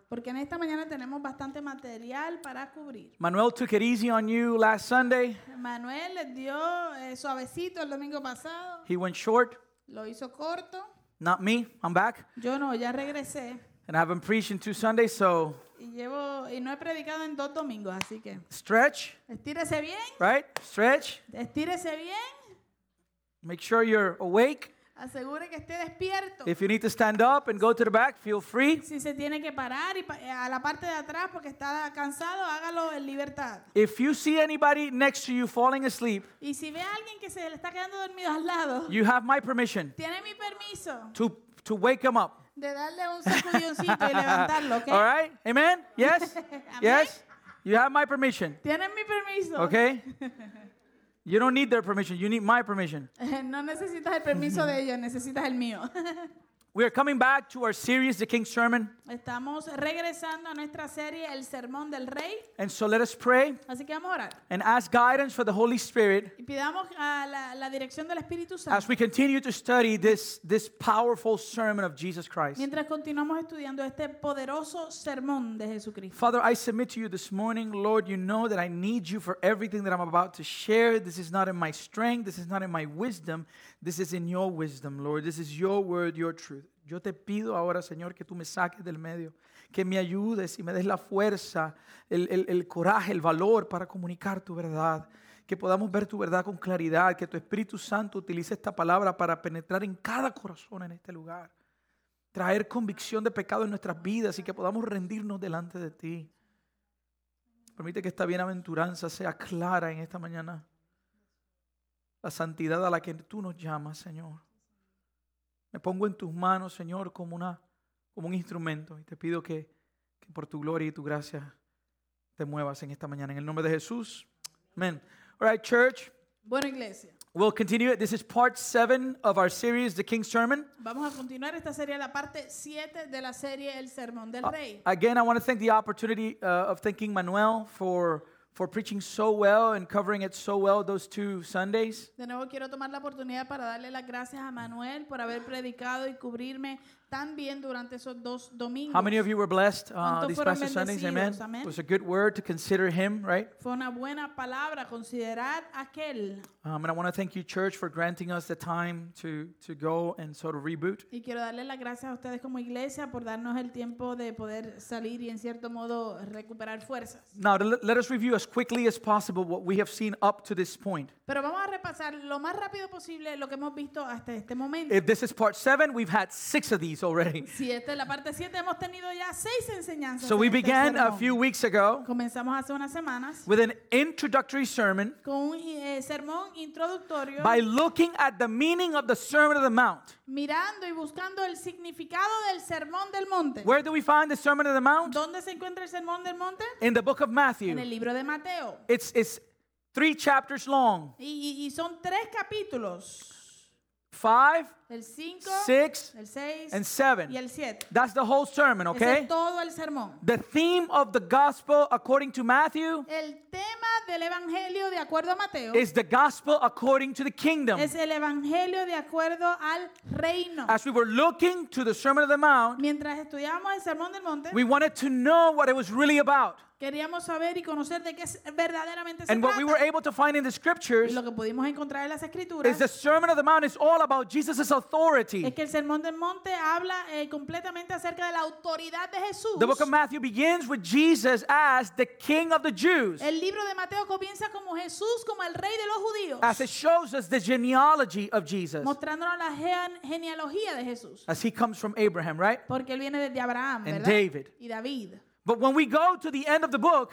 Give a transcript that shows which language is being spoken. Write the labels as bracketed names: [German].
[Spanish] Porque en esta mañana tenemos bastante material para cubrir. [English] Manuel took it easy on you last Sunday. [Spanish] Manuel le dio suavecito el domingo pasado. [English] He went short. [Spanish] Lo hizo corto. [English] Not me, I'm back. [Spanish] Yo no, ya regresé. [English] And I haven't preached in two Sundays, so. [Spanish] Y no he predicado en dos domingos, así que. [English] Stretch. [Spanish] Estírese bien. [English] Right? Stretch. [Spanish] Estírese bien. [English] Make sure you're awake. [Spanish] Asegure que esté despierto. [English] If you need to stand up and go to the back, feel free. [Spanish] Si se tiene que parar y a la parte de atrás porque está cansado, hágalo en libertad. [English] If you see anybody next to you falling asleep, [Spanish] y si ve a alguien que se le está quedando dormido al lado, [English] you have my permission. [Spanish] Tiene mi permiso. [English] To wake him up. [Spanish] De darle un sacudioncito y levantarlo, ¿okay? [English] All right? Amen? Yes? Yes? You have my permission. [Spanish] Tienen mi permiso. [English] Okay? You don't need their permission. You need my permission. [Spanish] No necesitas el permiso de ellos, necesitas el mío. [English] We are coming back to our series, The King's Sermon. [Spanish] Estamos regresando a nuestra serie, El Sermón del Rey. [English] And so let us pray. [Spanish] Así que vamos a orar. [English] And ask guidance for the Holy Spirit. [Spanish] Y pidamos la dirección del Espíritu Santo. [English] As we continue to study this powerful sermon of Jesus Christ. [Spanish] Mientras continuamos estudiando este poderoso sermón de Jesucristo. [English] Father, I submit to you this morning, Lord, you know that I need you for everything that I'm about to share. This is not in my strength, this is not in my wisdom. This is in your wisdom, Lord. This is your word, your truth. [Spanish] Yo te pido ahora, Señor, que tú me saques del medio, que me ayudes y me des la fuerza, el coraje, el valor para comunicar tu verdad, que podamos ver tu verdad con claridad, que tu Espíritu Santo utilice esta palabra para penetrar en cada corazón en este lugar, traer convicción de pecado en nuestras vidas y que podamos rendirnos delante de ti. Permite que esta bienaventuranza sea clara en esta mañana. La santidad a la que tú nos llamas, Señor. Me pongo en tus manos, Señor, como un instrumento. Y te pido que por tu gloria y tu gracia te muevas en esta mañana. En el nombre de Jesús. [English] Amén. All right, church. [Spanish] Buena iglesia. [English] We'll continue. This is part 7 of our series, The King's Sermon. [Spanish] Vamos a continuar esta serie, la parte 7 de la serie, El Sermón del Rey. [English] Again, I want to thank the opportunity of thanking Manuel for preaching so well and covering it so well those two Sundays. [Spanish] De nuevo quiero tomar la oportunidad para darle las gracias a Manuel por haber predicado y cubrirme tan bien durante esos dos domingos. [English] How many of you were blessed these past Sundays? Amen. It was a good word to consider him, right? [Spanish] Fue una buena palabra considerar aquel. [English] And I want to thank you, church, for granting us the time to go and sort of reboot. [Spanish] Y quiero darle las gracias a ustedes como iglesia por darnos el tiempo de poder salir y en cierto modo recuperar fuerzas. [English] Now let us review as quickly as possible what we have seen up to this point. [Spanish] Pero vamos a repasar lo más rápido posible lo que hemos visto hasta este momento. [English] If this is part 7, we've had 6 of these already. [Spanish] Si esta es la parte 7, hemos tenido ya 6 enseñanzas. [English] So we began a few weeks ago. [Spanish] Comenzamos hace unas semanas. [English] With an introductory sermon. [Spanish] Con un sermón introductorio. [English] By looking at the meaning of the Sermon on the Mount. [Spanish] Mirando y buscando el significado del Sermón del Monte. [English] Where do we find the Sermon on the Mount? [Spanish] ¿Dónde se encuentra el Sermón del Monte? [English] In the book of Matthew. [Spanish] En el libro de Mateo. [English] It's 3 chapters long. [Spanish] Y son 3 capítulos. [English] 5, [Spanish] el 5, [English] 6, [Spanish] el 6, [English] and 7. [Spanish] Y el 7. [English] That's the whole sermon, okay? [Spanish] Es todo el sermón. [English] The theme of the gospel according to Matthew. [Spanish] El tema del evangelio de acuerdo a Mateo. [English] Is the gospel according to the kingdom. [Spanish] Es el evangelio de acuerdo al reino. [English] As we were looking to the Sermon on the Mount. [Spanish] Mientras estudiamos el Sermón del Monte. [English] We wanted to know what it was really about. [Spanish] Queríamos saber y conocer de qué verdaderamente se [English] And what we were able to find in the scriptures, [Spanish] lo que pudimos encontrar en las escrituras, [English] is the Sermon on the Mount is all about Jesus' authority. [Spanish] Es que el Sermón del Monte habla completamente acerca de la autoridad de Jesús. [English] The book of Matthew begins with Jesus as the King of the Jews. [Spanish] El libro de Mateo comienza como Jesús como el rey de los judíos. [English] As it shows us the genealogy of Jesus. [Spanish] Mostrándonos la genealogía de Jesús. [English] As he comes from Abraham, right? [Spanish] Porque él viene desde Abraham, [English] and [Spanish] ¿verdad? [English] David. [Spanish] Y David. [English] But when we go to the end of the book,